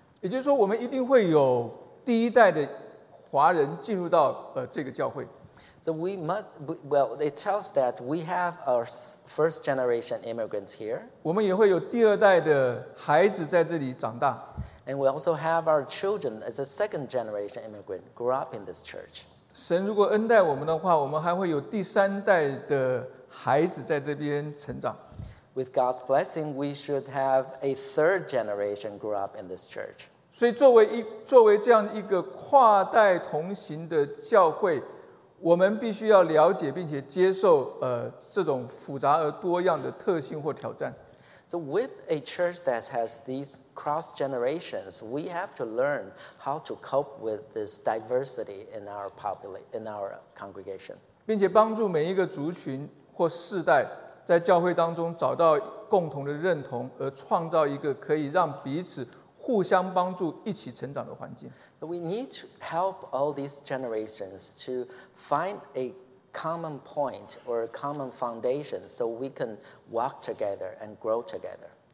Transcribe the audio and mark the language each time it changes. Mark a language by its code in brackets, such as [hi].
[zh] 也就是说，我们一定会有第一代的华人进入到这个教会。 [en] So we must, well, it tells that we have our first generation immigrants here. [zh] 我们也会有第二代的孩子在这里长大。 [en] And we also have our children as a second generation immigrant grow up in this church. [zh] 神如果恩待我们的话，我们还会有第三代的孩子在这边成长。 [en] With God's blessing, we should have a third generation grow up in this church. [zh] 所以作为这样一个跨代同行的教会，我们必须要了解并且接受这种复杂而多样的特性或挑战。 [en] So with a church that has these cross generations, we have to learn how to cope with this diversity in our population, in our congregation. [zh] 并且帮助每一个族群或世代在教会当中找到共同的认同，而创造一个可以让彼此互相帮助、一起成长的环境。 [en] We need to help all these generations to find a common point or a common foundation so we can walk together and grow together.